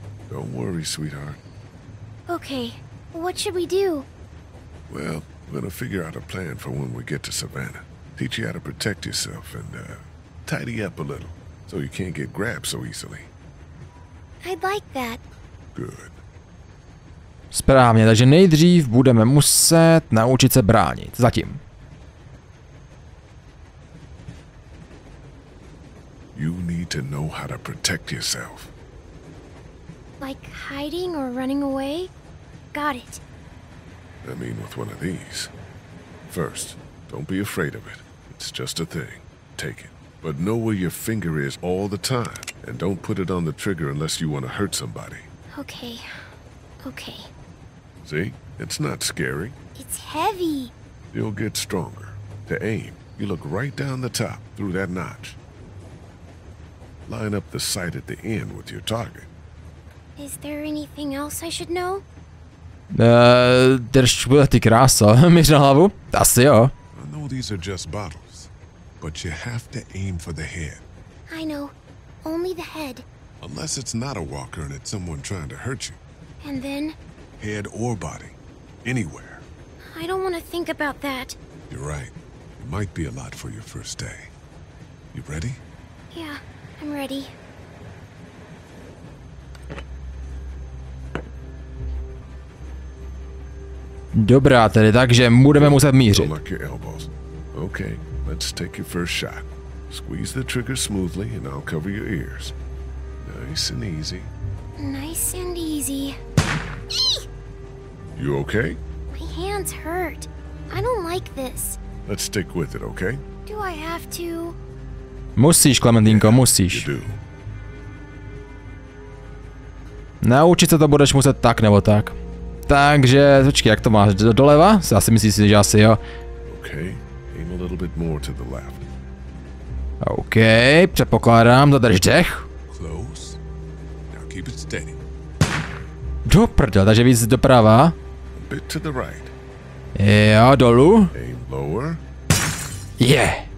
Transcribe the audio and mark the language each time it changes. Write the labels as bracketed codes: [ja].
[en] Don't worry, sweetheart. Okay, what should we do? Well, we're gonna figure out a plan for when we get to Savannah. Teach you how to protect yourself and, tidy up a little, so you can't get grabbed so easily. I'd like that. Good. [cs] Správně, takže nejdřív budeme muset naučit se bránit. Zatím. [en] You need to know how to protect yourself. Like hiding or running away? Got it. I mean with one of these. First, don't be afraid of it. It's just a thing. Take it. But know where your finger is all the time. And don't put it on the trigger unless you want to hurt somebody. Okay. Okay. See? It's not scary. It's heavy. You'll get stronger. To aim, you look right down the top, through that notch. Line up the sight at the end with your target. Is there anything else I should know? [cs] Drž ty krása, měř na hlavu. Asi jo. [en] I know these are just bottles. But you have to aim for the head. I know. Only the head. Unless it's not a walker and it's someone trying to hurt you. And then? Head or body. Anywhere. I don't want to think about that. You're right. It might be a lot for your first day. You ready? Yeah, I'm ready. [cs] Dobrá tedy, takže budeme muset mířit. [en] Don't lock your elbows. Okay, let's take your first shot. Squeeze the trigger smoothly and I'll cover your ears. Nice and easy. Nice and easy. You okay? My hands hurt. I don't like this. Let's stick with it, okay? Do I have to? [cs] Musíš, Klementinko, musíš. [en] You do. [cs] Naučit se to budeš muset tak nebo tak. Takže, počkej, jak to máš? Doleva? Asi myslíš, že asi jo. [en] Okay, aim a little bit more to the left. [cs] OK, předpokládám, zadrž dech. [en] Now keep it steady. [cs] Do prdele, takže víc doprava. [en] A bit to the right. [cs] Jo, dolů. [en] Aim lower. Yeah.